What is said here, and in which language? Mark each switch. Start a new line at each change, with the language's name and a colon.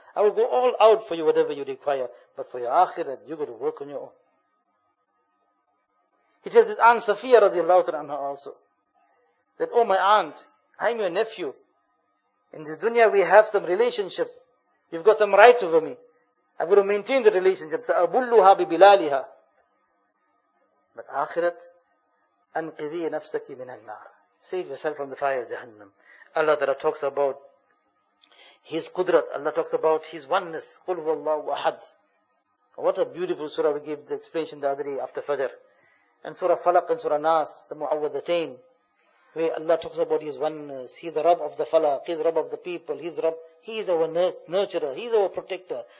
English: I will go all out for you, whatever you require. But for your akhirat, you got to work on your own. He tells his aunt Safiya radiallahu ta'ala anha also, that oh my aunt, I am your nephew. In this dunya we have some relationship. You've got some right over me. I'm going to maintain the relationship.
Arabic: سَأَبُلُّهَا بِبِلَالِهَا.
English: But akhirat,
Arabic: أَنْقِذِي نَفْسَكِ مِنَ النَّارِ.
English: Save yourself from the fire of Jahannam. Allah Ta'ala talks about His Qudrat. Allah talks about His oneness.
Arabic: قُلْ هُوَ اللَّهُ أَحَدٌ.
English: What a beautiful surah we gave the explanation the other day after Fajr. And Surah Falaq and Surah Nas, the Mu'awwadhatain. where Allah talks about His oneness. He's the Rabb of the Falaq, He's the Rabb of the people, He's Rabb, He's our nurturer, He's our protector.